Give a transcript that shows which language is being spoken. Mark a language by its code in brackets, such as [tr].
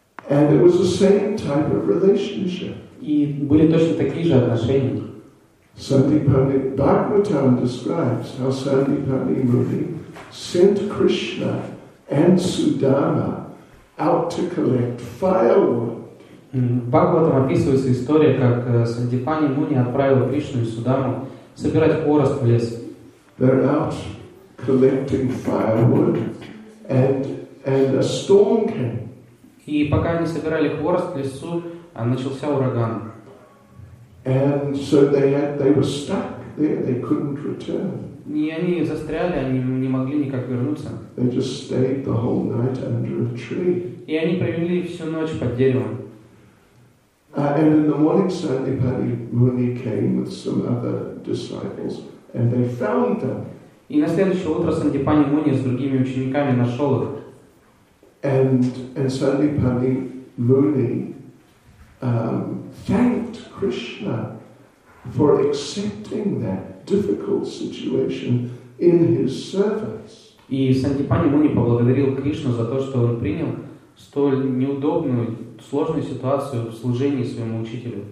[en] And it was the same type of relationship. [ru] И были точно такие же отношения. [en] Сандипани Бхагаватам describes how Сандипани Муни sent Krishna and Sudama out to collect firewood. [ru] Бхагаватам описывается история, как Сандипани Муни отправил Кришну и Судаму собирать хворост в лес. [en] They're out collecting firewood, and a storm came. [ru] И пока они собирали хворост в лесу, начался ураган. [en] And so they were stuck there. They couldn't return. [ru] И они застряли, они не могли никак вернуться. [en] They just stayed the whole night under a tree. [ru] И они провели всю ночь под деревом. [en] And in the morning, Sandipani Muni came with some other disciples, and they found them. [ru] И на следующее утро Сандипани Муни с другими учениками нашел их. [en] And Sandipani Muni thanked Krishna for accepting that difficult situation in his service. [ru] И Сандипани Муни поблагодарил Кришну за то, что он принял столь неудобную, сложную ситуацию в служении своему учителю.